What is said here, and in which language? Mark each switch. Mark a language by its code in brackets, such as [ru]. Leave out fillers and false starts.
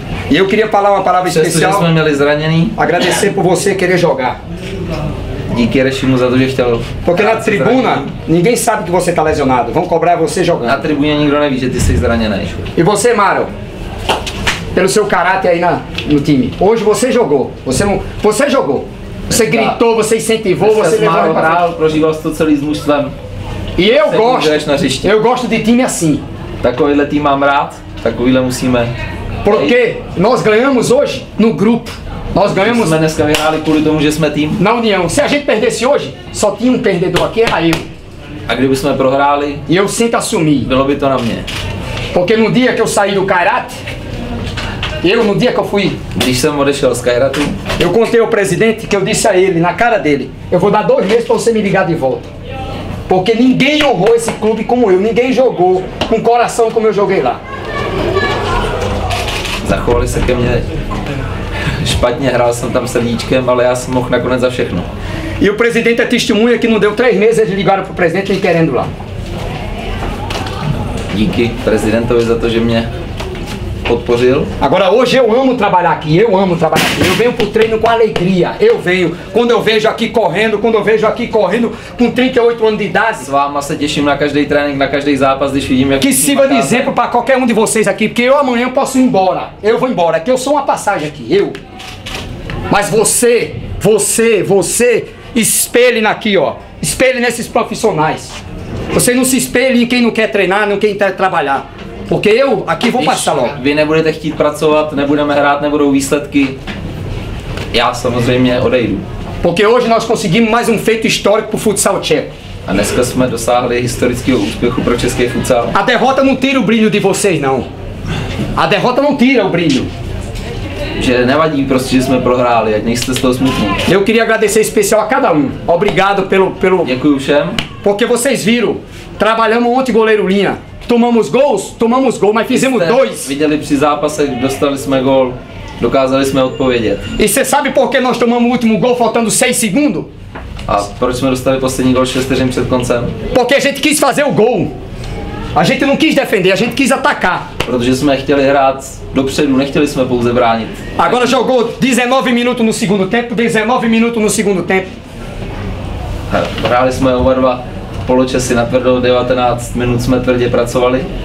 [pt] E eu queria falar uma palavra especial, [cs] jsme měli zraněný, [pt] agradecer por você querer jogar. [cs] Díky Rešimu za to, že chtěl. [pt] Porque na tribuna [cs] zraněný. [pt] Ninguém sabe que você tá lesionado. Vão cobrar você jogando. [cs] Na tribuna nikdo neví, že ty jsi zraněný. [pt] E você, Mário? Pelo seu caráter aí no time. Hoje você jogou. Você jogou. Você gritou, você incentivou, você levou para frente. [cs] Prožíval jsi to celý s mužstvem. [pt] E eu gosto. Eu gosto de time assim. [cs] Takovýhle tým mám rád. Takovýhle musíme. [pt] Porque nós ganhamos hoje no grupo. Nós ganhamos. [cs] Jsme dneska vyhráli kvůli tomu, že jsme tým. [pt] Na união. Se a gente perdesse hoje, só tinha um perdedor aqui, era eu. [cs] A kdyby jsme prohráli, [pt] e eu sinto assumir. [cs] Bylo by to na mě. [pt] Porque no dia que eu saí do Kairat, eu no dia que eu fui. [cs] Když jsem odešel z Kairatu. [pt] Eu contei ao presidente que eu disse a ele, na cara dele, eu vou dar dois meses para você me ligar de volta. Porque ninguém honrou esse clube como eu, ninguém jogou com coração como eu joguei lá. [cs] Zachovali se ke mně. Špatně hrál jsem tam srdíčkem, ale já jsem mohl nakonec za všechno. [pt] E o presidente é testemunha que não deu três meses de ligar pro presidente e querendo lá. [cs] Díky prezidentovi za to, že mě podpořil. [pt] Agora hoje eu amo trabalhar aqui, eu amo trabalhar aqui. Eu venho pro treino com alegria. Eu venho quando eu vejo aqui correndo, com 38 anos de idade. [cs] S váma se těším na každý trénink, na každý zápas, když vidím, jak [pt] que sirva de exemplo para qualquer um de vocês aqui, porque eu amanhã posso ir embora. Eu vou embora, que eu sou uma passagem aqui, eu. Mas você, espelhe aqui, ó. espelhe nesses profissionais. Você não se espelhe em quem não quer treinar, em quem quer trabalhar. Porque eu aqui vou passar logo. [cs] Vy nebudete chtít pracovat, nebudeme hrát, nebudou výsledky, já samozřejmě odejdu. [pt] Porque hoje nós conseguimos mais feito histórico pro futsal tcheco. [cs] A dneska jsme dosáhli historického úspěchu pro český futsal. [pt] A derrota não tira o brilho de vocês, não. A derrota não tira o brilho. [cs] Že nevadí prostě, že jsme prohráli, ať nejste z toho smutní. [pt] Eu queria agradecer especial a cada Obrigado pelo... [cs] Děkuju všem. [pt] Porque vocês viram, trabalhamos ontem goleiro linha. Tomamos gol, mas fizemos dois. [cs] Viděli při zápase, dostali jsme gol, dokázali jsme odpovědět. [pt] E você sabe por que nós tomamos o último gol faltando 6 segundos? [cs] A proč jsme dostali poslední gol 6 vteřin před koncem? [pt] Porque a gente quis fazer o gol. A gente não quis defender, a gente quis atacar. [cs] Protože jsme chtěli hrát dopředu, nechtěli jsme pouze bránit. [pt] Agora jogou 19 minutos no segundo tempo, 19 minutos no segundo tempo. [cs] Hráli jsme oba dva poločasy na tvrdo, 19 minut jsme tvrdě pracovali.